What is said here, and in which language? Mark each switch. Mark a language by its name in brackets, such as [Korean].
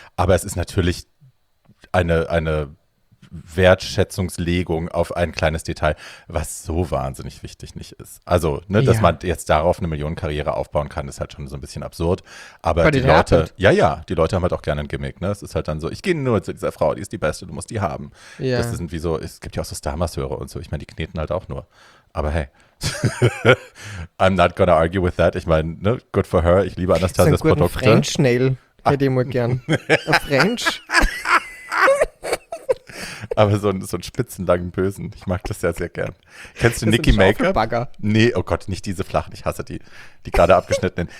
[German] Aber es ist natürlich eine Wertschätzungslegung auf ein kleines Detail, was so wahnsinnig wichtig nicht ist. Also, ne, dass man jetzt darauf eine Millionenkarriere aufbauen kann, ist halt schon so ein bisschen absurd. Aber die Leute, die Leute haben halt auch gerne ein Gimmick, ne? Es ist halt dann so, ich gehe nur zu dieser Frau, die ist die Beste, du musst die haben. Ja. Das sind wie so, es gibt ja auch so Star-Masseure und so. Ich meine, die kneten halt auch nur. [English] Aber hey, I'm not gonna argue with that. [German] Ich meine, ne, [English] good for her. [German] Ich liebe Anastasias Produkte. French Nail hätte ich mal gern. French. Aber so einen spitzenlangen Bösen. Ich mag das sehr, sehr gern. Kennst du Nicki Make-Up? Nee, oh Gott, nicht diese flachen. Ich hasse die gerade abgeschnittenen.